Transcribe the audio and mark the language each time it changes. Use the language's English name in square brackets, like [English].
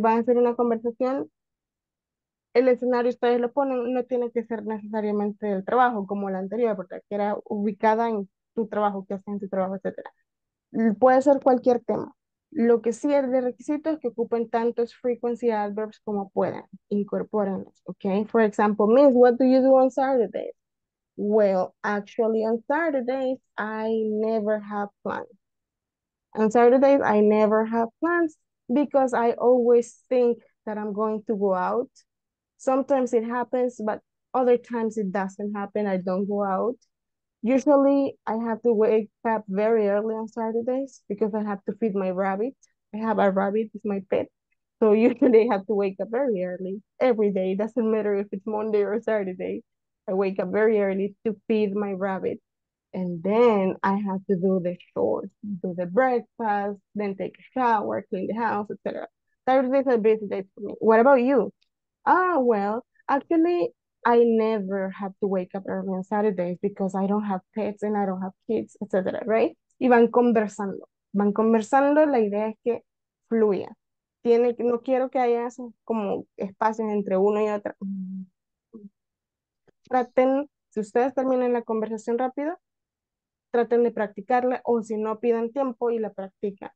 [Spanish] Van a hacer una conversación. El escenario ustedes lo ponen, no tiene que ser necesariamente del trabajo, como la anterior, porque era ubicada en tu trabajo, qué hacen en tu trabajo, etc. Puede ser cualquier tema. Lo que sí es de requisito es que ocupen tantos frequency adverbs como puedan. Incorpórenlos, ¿ok? [English] For example, Miss, what do you do on Saturday? Well, actually, on Saturdays, I never have plans. On Saturdays, I never have plans because I always think that I'm going to go out. Sometimes it happens, but other times it doesn't happen. I don't go out. Usually, I have to wake up very early on Saturdays because I have to feed my rabbit. I have a rabbit, it's my pet. So usually, I have to wake up very early every day. It doesn't matter if it's Monday or Saturday. I wake up very early to feed my rabbit. And then I have to do the chores, do the breakfast, then take a shower, clean the house, etc. Saturdays are busy days for me. What about you? Oh, well, actually, I never have to wake up early on Saturdays because I don't have pets and I don't have kids, etc. [Spanish] Right? Y van conversando. Van conversando. La idea es que fluya. No quiero que haya esos como espacios entre uno y otro. Traten, si ustedes terminan la conversación rápido, traten de practicarla, o si no, pidan tiempo y la practican.